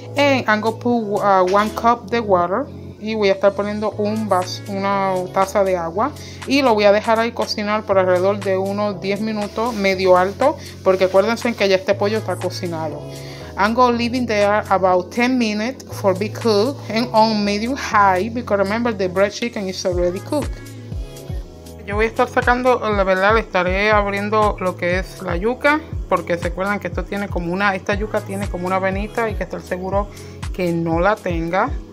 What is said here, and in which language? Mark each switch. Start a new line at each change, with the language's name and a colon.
English: And I'm going to put one cup de water.
Spanish: Y voy a estar poniendo una taza de agua. Y lo voy a dejar ahí cocinar por alrededor de unos 10 minutos, medio alto. Porque acuérdense que ya este pollo está cocinado.
English: I'm going to leave it there about 10 minutes for be cooked. And on medium high, because remember the bread chicken is already cooked.
Spanish: Yo voy a estar sacando, la verdad, le estaré abriendo lo que es la yuca. Porque se acuerdan que esta yuca tiene como una venita. Y que estar seguro que no la tenga.